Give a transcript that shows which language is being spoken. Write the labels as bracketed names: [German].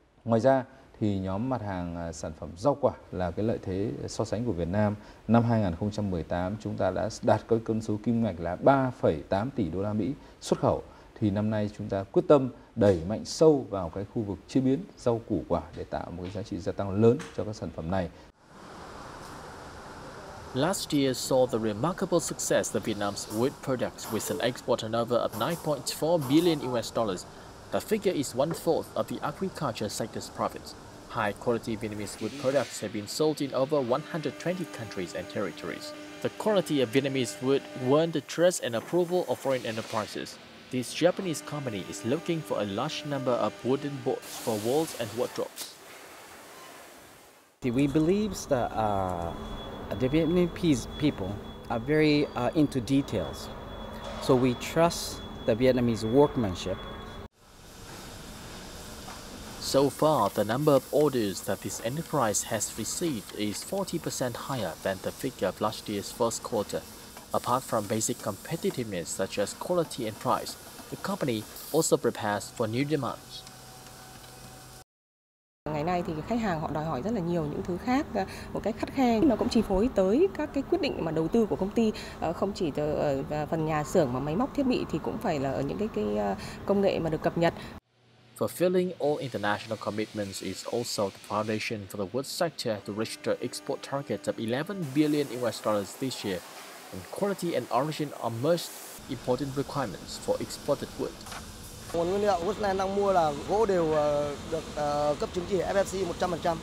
[Vietnamese] Ngoài ra thì nhóm mặt hàng sản phẩm rau quả là cái lợi thế so sánh của Việt Nam. Năm 2018 chúng ta đã đạt cái con số kim ngạch là 3,8 tỷ đô la Mỹ xuất khẩu. Thì năm nay chúng ta quyết tâm đẩy mạnh sâu vào cái khu vực chế biến rau củ quả để tạo một cái giá trị gia tăng lớn cho các sản phẩm này. [English] Last year saw the remarkable success of Vietnam's wheat products with an export turnover of $9.4 billion. The figure is one-fourth of the agriculture sector's profits. High-quality Vietnamese wheat products have been sold in over 120 countries and territories. The quality of Vietnamese wheat won the trust and approval of foreign enterprises. This Japanese company is looking for a large number of wooden boards for walls and wardrobes. We believe that the Vietnamese people are very into details, so we trust the Vietnamese workmanship. So far, the number of orders that this enterprise has received is 40% higher than the figure of last year's first quarter. Apart from basic competitiveness such as quality and price, the company also prepares for new demands. [Vietnamese] Ngày nay thì khách hàng họ đòi hỏi rất là nhiều những thứ khác một cách khắt khe, nó cũng chi phối tới các cái quyết định mà đầu tư của công ty, không chỉ ở phần nhà xưởng mà máy móc thiết bị thì cũng phải là ở những cái công nghệ mà được cập nhật. [English] Fulfilling all international commitments is also the foundation for the wood sector to reach the export target of $11 billion this year, and quality and origin are most important requirements for exported wood. [Vietnamese] Nguồn nguyên liệu Woodland đang mua là gỗ đều được cấp chứng chỉ FSC 100%.